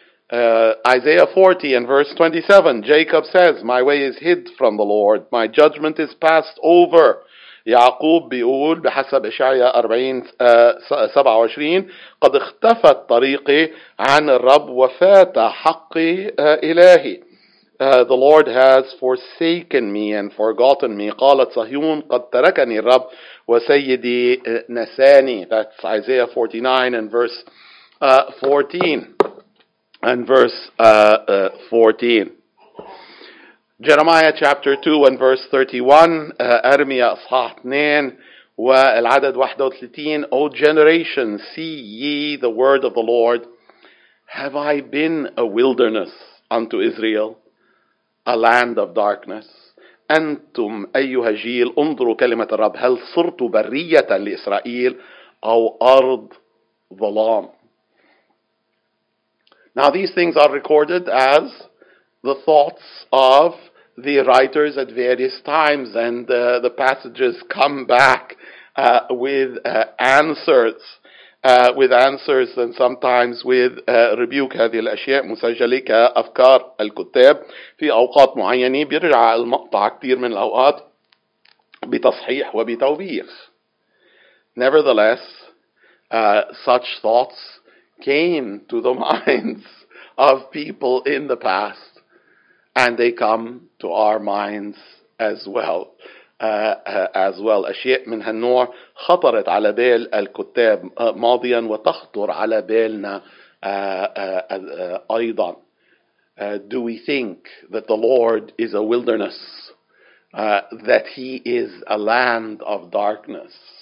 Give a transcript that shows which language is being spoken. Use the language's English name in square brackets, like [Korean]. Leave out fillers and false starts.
[English] Isaiah 40 and verse 27, Jacob says, my way is hid from the Lord, my judgment is passed over. [Arabic] يعقوب بيقول بحسب إشعياء 40:27, قد اختفت طريقي عن الرب وفات حقي إلهي. [English] The Lord has forsaken me and forgotten me. [Arabic] قالت صهيون قد تركني الرب وسيدي نساني. [English] That's Isaiah 49 and verse 14. Jeremiah chapter 2 and verse 31. [Arabic] Ermia صحة 2 والعدد 31. [English] O generation, see ye the word of the Lord. Have I been a wilderness unto Israel? A land of darkness. [Arabic] أنتم أيها جيل انظروا كلمة الرب هل صرت برية لإسرائيل أو أرض ظلام. [English] Now these things are recorded as the thoughts of the writers at various times, and the passages come back with answers. With answers and sometimes with rebuke. [Arabic] هذه الأشياء مسجلة كأفكار الكتاب في أوقات معينة بيرجع المقطع كثير من الأوقات بتصحيح وبتوبيخ. [English] Nevertheless, such thoughts came to the minds of people in the past, and they come to our minds as well. [Arabic] أشياء من هالنوع خطرت على بال الكتاب ماضيا وتخطر على بالنا أيضا. [English] Do we think that the Lord is a wilderness, that he is a land of darkness?